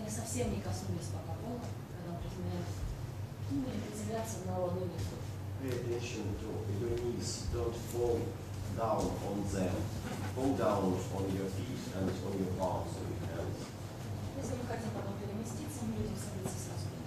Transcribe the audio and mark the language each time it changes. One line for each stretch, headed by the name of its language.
Russian: Совсем не коснулись пока пола, когда приземляются. Ну, или приземляться на ладони.
English: Pay attention to your knees. Don't fall down on them. Fall down on your feet and on your palms of your hands.
Russian: Если мы хотим потом переместиться, мы будем садиться сразу.